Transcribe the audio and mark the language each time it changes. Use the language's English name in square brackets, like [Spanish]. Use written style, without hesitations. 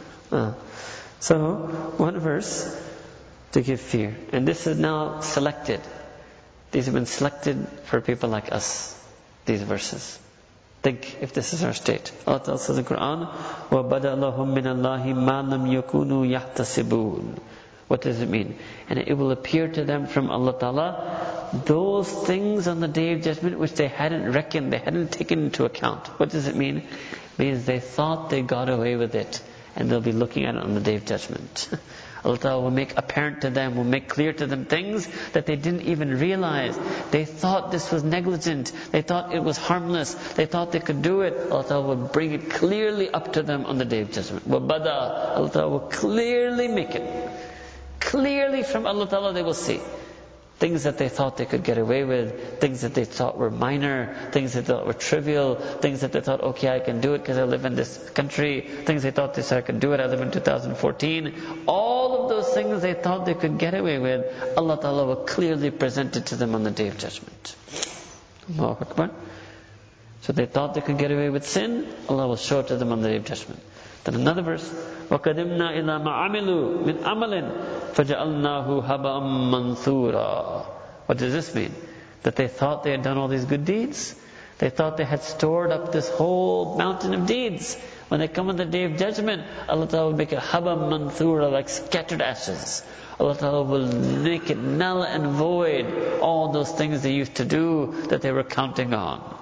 [English] So, one verse to give fear. And this is now selected. These have been selected for people like us, these verses. Think if this is our state. Allah Ta'ala says in the Quran, [Arabic] وَبَدَى لَهُمْ مِنَ اللَّهِ مَا لَمْ يَكُونُوا يَحْتَسِبُونَ. [English] What does it mean? And it will appear to them from Allah Ta'ala those things on the Day of Judgment which they hadn't reckoned, they hadn't taken into account. What does it mean? It means they thought they got away with it, and they'll be looking at it on the Day of Judgment. Allah Ta'ala will make apparent to them, will make clear to them things that they didn't even realize. They thought this was negligent. They thought it was harmless. They thought they could do it. Allah Ta'ala will bring it clearly up to them on the Day of Judgment. Wabada. Allah Ta'ala will clearly make it. Clearly from Allah Ta'ala they will see. Things that they thought they could get away with, things that they thought were minor, things that they thought were trivial, things that they thought, okay, I can do it because I live in this country, things they thought they said, I can do it, I live in 2014. All of those things they thought they could get away with, Allah Ta'ala will clearly present it to them on the Day of Judgment. Allahu Akbar. So they thought they could get away with sin, Allah will show it to them on the Day of Judgment. Then another verse, [Arabic] وَقَدِمْنَا إِلَى مَعَمِلُوا مِنْ عَمَلٍ فَجَعَلْنَاهُ هَبَأً مَنْثُورًا. [English] What does this mean? That they thought they had done all these good deeds? They thought they had stored up this whole mountain of deeds. When they come on the Day of Judgment, Allah Ta'ala will make it [Arabic] haba manthura, [English] like scattered ashes. Allah Ta'ala will make it null and void, all those things they used to do that they were counting on.